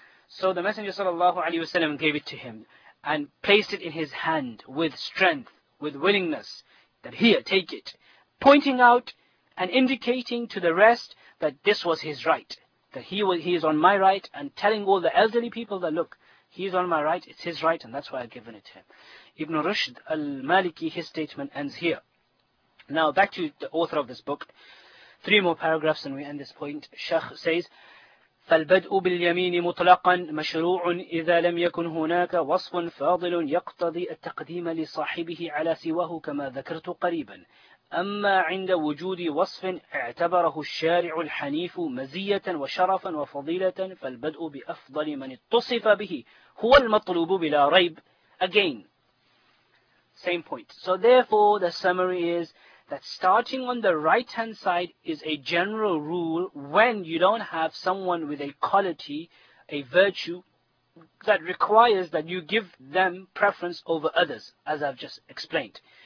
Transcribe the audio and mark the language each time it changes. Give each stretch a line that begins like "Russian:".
English: So the Messenger sallallahu alayhi wa sallam gave it to him and placed it in his hand with strength, with willingness, that here, take it, pointing out and indicating to the rest that this was his right. That he is on my right, and telling all the elderly people that, look, he is on my right, it's his right, and that's why I've given it to him. Ibn Rushd al-Maliki, his statement ends here. Now, back to the author of this book. Three more paragraphs and we end this point. Sheikh says,
Arabic: فَالْبَدْءُ بِالْيَمِينِ مُطْلَقًا مَشْرُوعٌ إِذَا لَمْ يَكُنْ هُنَاكَ وَصْفٌ فَاضِلٌ يَقْتَضِي التَّقْدِيمَ لِصَاحِبِهِ عَلَى سِوَهُ كَمَا ذَكَرْتُ قَرِيبًا أما عند وجود وصف اعتبره الشارع الحنيف مزية وشرفا وفضيلة فالبدء بأفضل من اتصف به هو المطلوب بلا ريب.
English: Again, same point. So therefore the summary is that starting on the right hand side is a general rule when you don't have someone with a quality, a virtue that requires that you give them preference over others, as I've just explained.